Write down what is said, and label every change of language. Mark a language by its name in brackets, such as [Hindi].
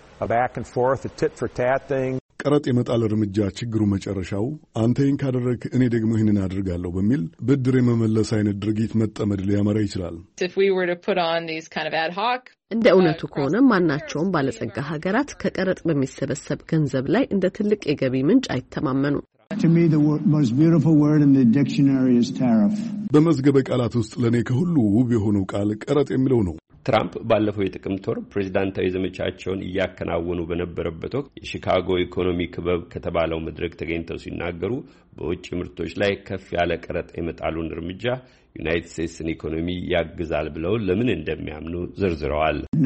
[Amharic] ቀረጥ የመጣል እርምጃ ችግሩ መጨረሻው አንተ ይህን ካደረግ እኔ ደግሞ ይህንን አድርጋለሁ በሚል ብድር የመመለስ አይነት ድርጊት መጠመድ ሊያመራ ይችላል። እንደ እውነቱ ከሆነ ማናቸውም ባለጸጋ ሀገራት ከቀረጥ በሚሰበሰብ ገንዘብ ላይ እንደ ትልቅ የገቢ ምንጭ አይተማመኑም። [English] To me, the most beautiful word in the dictionary is tariff. [Amharic] በመዝገበ ቃላት ውስጥ ለኔ ከሁሉ ውብ የሆነው ቃል ቀረጥ የሚለው ነው። ትራምፕ ባለፈው የጥቅምት ወር ፕሬዝዳንታዊ ዘመቻቸውን እያከናወኑ በነበረበት ወቅት የሺካጎ ኢኮኖሚ ክበብ ከተባለው መድረክ ተገኝተው ሲናገሩ በውጭ ምርቶች ላይ ከፍ ያለ ቀረጥ የመጣሉን እርምጃ ዩናይትድ ስቴትስን ኢኮኖሚ ያግዛል ብለው ለምን እንደሚያምኑ ዘርዝረዋል።